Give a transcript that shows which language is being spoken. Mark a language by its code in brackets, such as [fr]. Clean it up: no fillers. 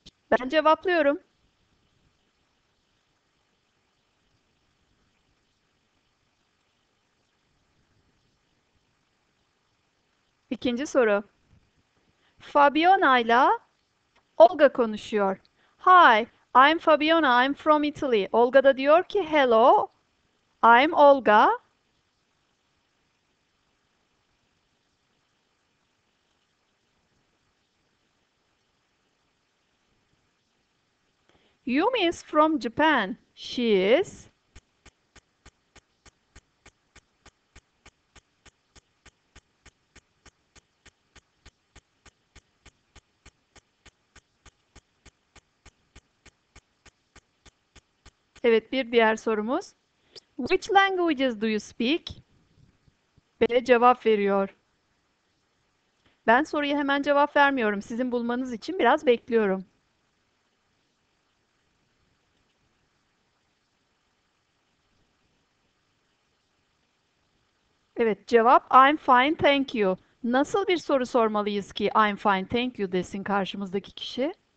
[tr] Ben cevaplıyorum. İkinci soru. Fabiona ile Olga konuşuyor. [en] Hi, I'm Fabiona, I'm from Italy. [tr] Olga da diyor ki, [en] hello, I'm Olga. Yumi is from Japan. She is. [tr] Evet, bir diğer sorumuz. [en] Which languages do you speak? [tr] B cevap veriyor. Ben soruya hemen cevap vermiyorum. Sizin bulmanız için biraz bekliyorum. Evet, cevap [en] I'm fine, thank you. [tr] Nasıl bir soru sormalıyız ki I'm fine, thank you desin karşımızdaki kişi?